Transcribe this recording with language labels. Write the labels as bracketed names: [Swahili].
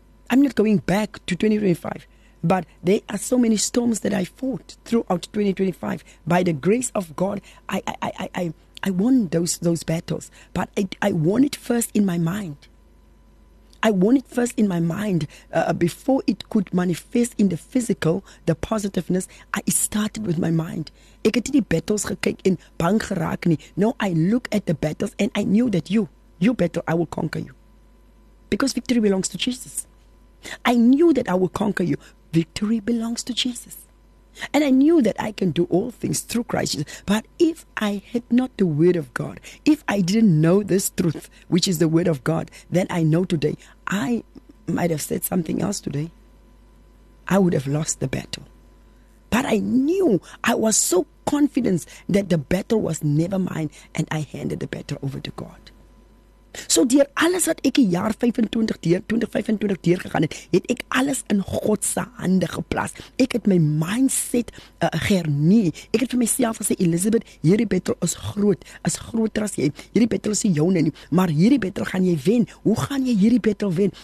[English] I'm not going back to 2025, but there are so many storms that I fought throughout 2025. By the grace of God, I won those battles, but I won it first in my mind. I won it first in my mind before it could manifest in the physical, the positiveness. I started with my mind. [Afrikaans] Ek het die battles gekyk en bang geraak nie. [English] Now I look at the battles and I knew that you battle, I will conquer you. Because victory belongs to Jesus. I knew that I will conquer you. Victory belongs to Jesus. And I knew that I can do all things through Christ Jesus. But if I had not the word of God, if I didn't know this truth, which is the word of God, then I know today, I might have said something else today. I would have lost the battle. But I knew, I was so confident that the battle was never mine, and I handed the battle over to God. [Afrikaans] So deur alles wat ek die jaar 25 deur 2025 deur gegaan het, het ek alles in God se hande geplaas. Ek het my mindset gernie. Ek het vir myself gesê, Elizabeth, hierdie battle is groot, is groter as jy. Hierdie battle is joune nie, maar hierdie battle gaan jy wen. Hoe gaan jy hierdie battle wen?